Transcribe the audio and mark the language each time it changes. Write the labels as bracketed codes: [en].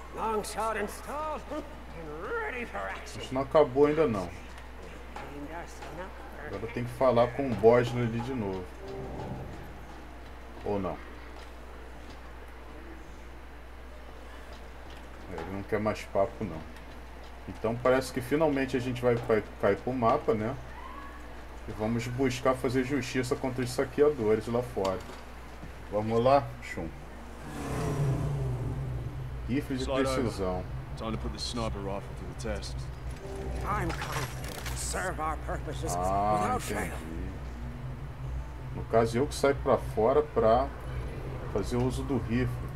[en] Long shot installed and ready for action. [pt] Isso não acabou ainda não. Agora eu tenho que falar com o Bosner ali de novo. Ou não? Ele não quer mais papo não. Então parece que finalmente a gente vai cair pro mapa, né? E vamos buscar fazer justiça contra os saqueadores lá fora. Vamos lá, Shun. Rifle de precisão. [en] Time to put the sniper rifle to the test. I'm confident to serve our purposes without fail. [pt] No caso, eu que saio pra fora pra fazer uso do rifle.